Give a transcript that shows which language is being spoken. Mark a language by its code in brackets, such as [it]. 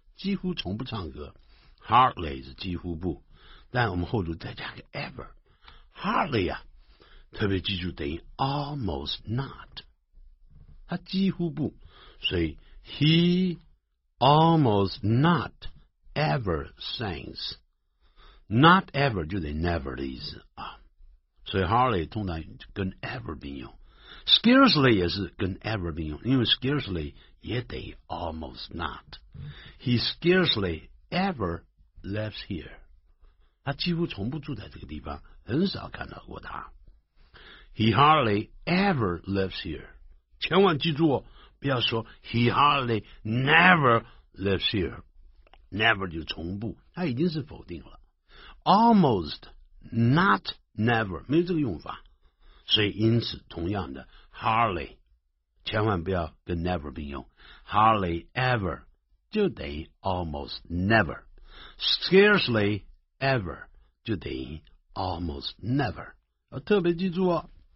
[zh] 几乎从不唱歌 ，hardly 是几乎不，但我们后头再加个 ever， hardly 啊，特别记住等于 almost not， 他几乎不，所以 he almost not ever sings， not ever 就得 never 的意思啊，所以 hardly 通常跟 ever 并用。 Scarcely 也是跟 ever 并用，因为 scarcely 也得 almost not。 [en] He scarcely ever lives here。 [zh] 他几乎从不住在这个地方，很少看到过他。 [en] He hardly ever lives here。千万记住哦，不要说 he hardly never lives here。 [zh] Never 就从不，他已经是否定了。 Almost not never 没有这个用法。所以因此同样的 hardly 千万不要跟 never 并用， hardly ever 就等于 almost never， scarcely ever 就等于 almost never， 要特别记住哦。